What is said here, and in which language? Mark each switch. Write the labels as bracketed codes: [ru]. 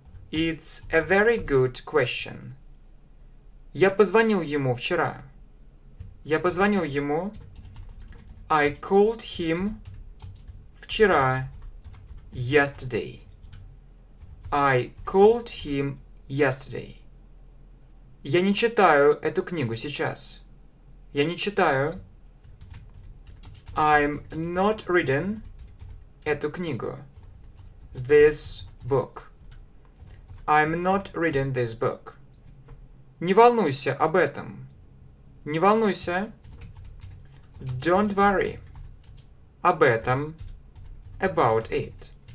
[en] It's a very good question. [ru] Я позвонил ему вчера. Я позвонил ему. [en] I called him... [ru] Вчера, [en] yesterday. I called him yesterday. [ru] Я не читаю эту книгу сейчас. Я не читаю. [en] I'm not reading [ru] эту книгу. [en] This book. I'm not reading this book. [ru] Не волнуйся об этом. Не волнуйся. [en] Don't worry. [ru] Об этом. [en] About it.